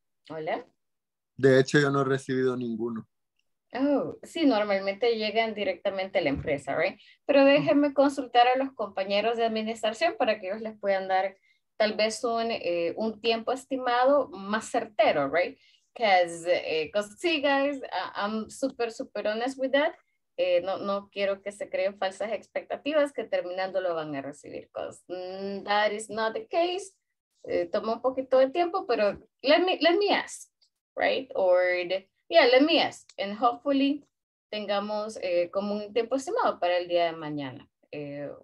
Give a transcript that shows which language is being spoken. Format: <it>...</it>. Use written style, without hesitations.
<es>¿Hola? De hecho, yo no he recibido ninguno. Oh, sí, normalmente llegan directamente a la empresa, ¿verdad? Pero déjenme consultar a los compañeros de administración para que ellos les puedan dar tal vez un tiempo estimado más certero, ¿verdad?</es> <en>Because,</en> <es>sí,</es> <en>guys, I'm super, super honest with that.</en> <es>No quiero que se creen falsas expectativas que terminando lo van a recibir.</es> <en>Because that is not the case.</en> <es>Toma un poquito de tiempo, pero</es> <en>let me ask, right? Let me ask. And hopefully</en> <es>tengamos como un tiempo estimado para el día de mañana.</es>